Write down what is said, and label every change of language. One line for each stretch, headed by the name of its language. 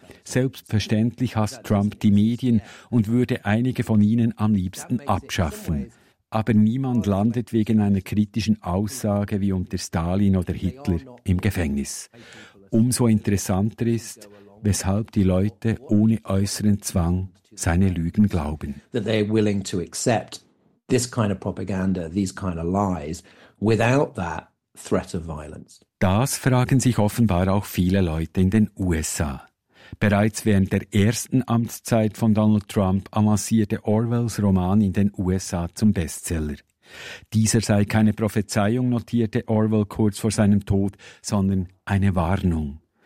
German: Selbstverständlich hasst Trump die Medien und würde einige von ihnen am liebsten abschaffen. Aber niemand landet wegen einer kritischen Aussage wie unter Stalin oder Hitler im Gefängnis. Umso interessanter ist, weshalb die Leute ohne äußeren Zwang seine Lügen glauben.
English: That they're willing to accept this kind of propaganda, these kind of lies, without that threat of violence.
German: Das fragen sich offenbar auch viele Leute in den USA. Bereits während der ersten Amtszeit von Donald Trump avancierte Orwells Roman in den USA zum Bestseller. Dieser sei keine Prophezeiung, notierte Orwell kurz vor seinem Tod, sondern eine Warnung.